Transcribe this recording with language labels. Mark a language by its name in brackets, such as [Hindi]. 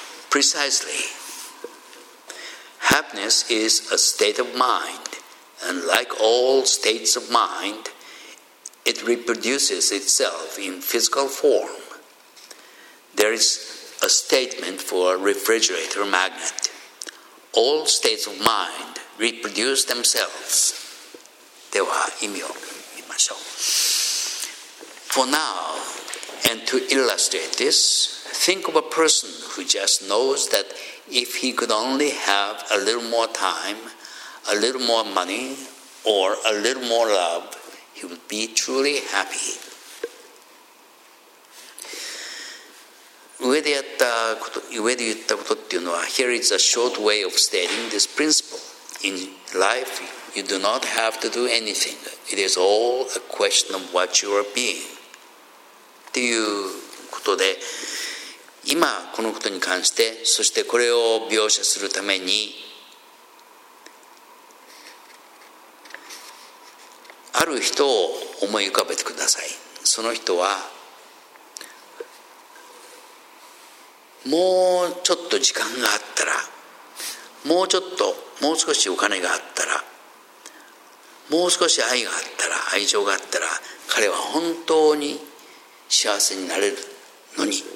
[English] Precisely. Happiness is a state of mind, and like all states of mind, it reproduces itself in physical form. There is a statement for a refrigerator magnet. All states of mind reproduce themselves. [Japanese] では意味を見ましょう。 [English] For now, and to illustrate this, think of a person who just knows that if he could only have a little more time, a little more money, or a little more love, he would be truly happy. [Japanese] ことっていうのは, [English] here is a short way of stating this principle. In life, you do not have to do anything. It is all a question of what you are being. [Japanese] ということで、 今このことに関して、そしてこれを描写するために、ある人を思い浮かべてください。その人は、もうちょっと時間があったら、もうちょっと、もう少しお金があったら、もう少し愛があったら、愛情があったら、彼は本当に幸せになれるのに。